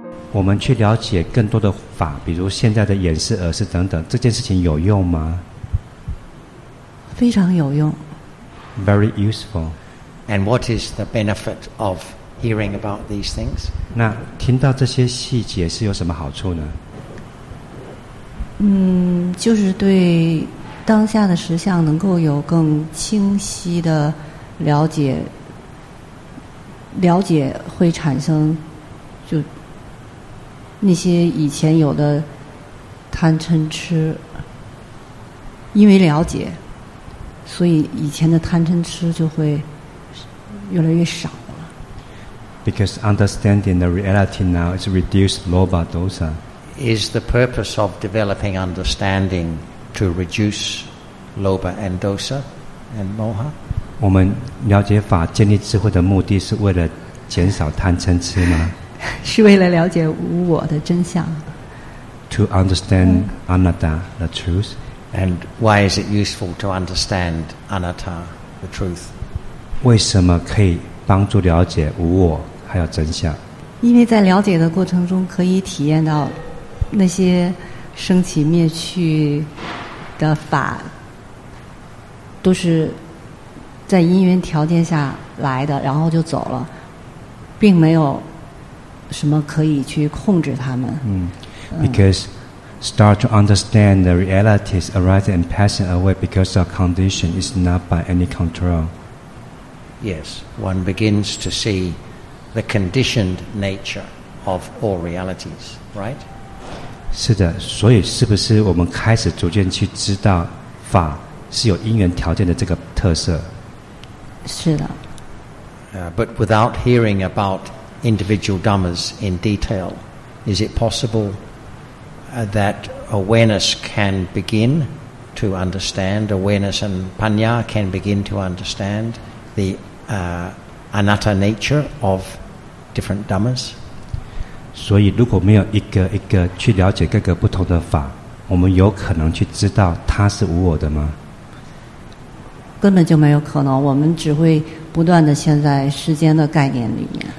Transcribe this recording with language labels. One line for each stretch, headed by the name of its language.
Chinese: 我们去了解更多的法，比如现在的眼识、耳识等等，这件事情有用吗？非常有用。
English: Very useful. And what is the benefit of hearing about these things?
Chinese: 那听到这些细节是有什么好处呢？就是对当下的实相能够有更清晰的了解，了解会产生就那些以前有的贪嗔痴，因为了解，所以以前的贪嗔痴就会越来越少了。
English: Because understanding the reality now is reduced lobha dosa. Is the purpose of developing understanding to reduce lobha and dosa and moha?
Chinese: 我们了解法、建立智慧的目的是为了减少贪嗔痴吗？是为了了解无我的真相。
English: To understand anatta, the truth. And why is it useful to understand anatta, the truth?
Chinese: 为什么可以帮助了解无我还有真相？因为在了解的过程中，可以体验到那些生起灭去的法，都是在因缘条件下来的，然后就走了，并没有什么可以去控制他们。
English: Because start to understand the realities arising and passing away because our condition is not by any control. Yes, one begins to see the conditioned nature of all realities, right?
Chinese: 是的，所以是不是我们开始逐渐去知道法是有因缘条件的这个特色？是的。
English: But without hearing about individual dhammas in detail, is it possible that awareness can begin to understand, awareness and panya can begin to understand the anatta nature of different dhammas?
Chinese: 所以如果没有一个一个去了解各个不同的法，我们有可能去知道它是无我的吗？根本就没有可能，我们只会不断地陷在时间的概念里面。